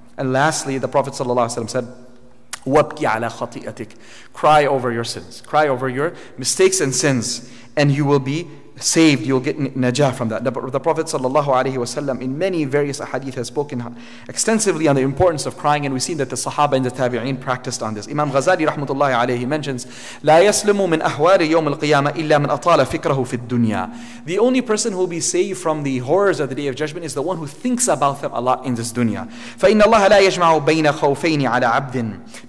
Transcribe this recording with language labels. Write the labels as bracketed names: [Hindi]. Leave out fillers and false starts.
[English] And lastly, the Prophet ﷺ said, [Arabic] وَبْكِ عَلَى خَطِئَتِكَ. [English] Cry over your sins. Cry over your mistakes and sins, and you will be saved, you'll get najah from that. The Prophet sallallahu alaihi wasallam in many various hadith has spoken extensively on the importance of crying, and we've seen that the Sahaba and the Tabi'een practiced on this. Imam Ghazali rahmatullahi alayhi mentions, [Arabic] لا يسلم من أحوال يوم القيامة إلا من أطال فكره في الدنيا. [English] The only person who will be saved from the horrors of the Day of Judgment is the one who thinks about them a lot in this dunya. [Arabic] فإن الله لا يجمع بين خوفين على عبد.